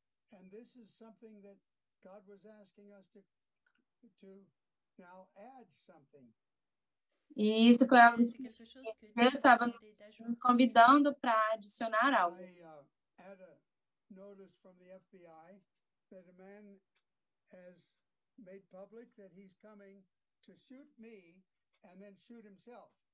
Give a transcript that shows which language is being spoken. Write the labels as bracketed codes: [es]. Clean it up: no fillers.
[en] And this is something that God was asking us to now add something. [pt] E isso foi algo que Deus estava nos convidando para adicionar algo. [en] I had a notice from the FBI that a man has made public that he's coming to shoot me and then shoot himself.